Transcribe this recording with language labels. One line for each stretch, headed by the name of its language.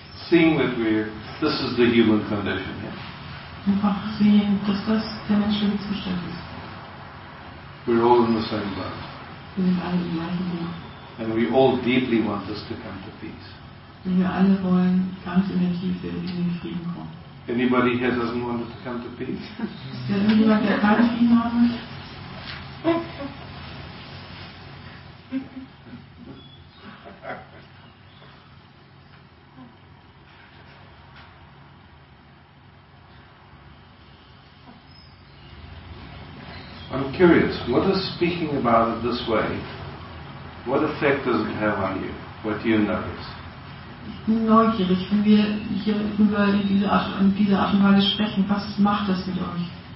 English: Seeing that we're, this is the human condition here.
German: Einfach sehen, dass das der menschliche Zustand ist.
English: We're all in the same boat.
German: Wir sind alle im gleichen Boot.
English: And we all deeply want this to come to peace.
German: Und wir alle wollen ganz in der Tiefe in den Frieden kommen.
English: Anybody here doesn't want it to come to peace?
German: Ist der irgendjemand, der keinen Frieden haben möchte?
English: I'm curious, what is speaking about it this way, what effect does it have on you? What do you notice?
German: Ich bin neugierig, wenn wir hier über diese Art und Weise sprechen, was macht das mit euch?